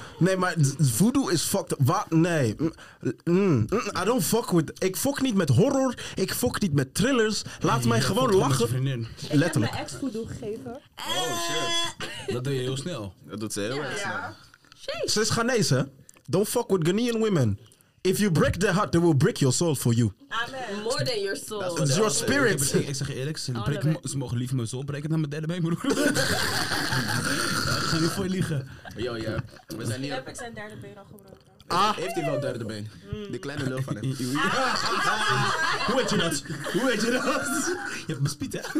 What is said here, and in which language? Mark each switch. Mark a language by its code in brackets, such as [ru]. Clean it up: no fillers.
[nl] Nee, maar voodoo is fucked. Wat? Nee. [en] I don't fuck with... [nl] Ik fuck niet met horror. Ik fuck niet met thrillers. Laat mij gewoon lachen. Letterlijk. Ik heb mijn ex voodoo gegeven. Oh, shit. Dat doe je heel snel. Dat doet ze heel erg snel. Ja. Ze is Ghanese, hè? [en] Don't fuck with Ghanaian women. If you break their heart, they will break your soul for you. Amen. More than your soul. It's your spirit. [nl] Ik zeg eerlijk, ze mogen liever mijn soul breken dan mijn derde been, broer. Ik ga niet voor je liegen. Yo, ja. We zijn hier. Heb ik zijn derde been al gebroken? Ah. Heeft hij wel derde been? De kleine lul van hem. Hoe weet je dat? Hoe weet je dat? Je hebt bespied, hè?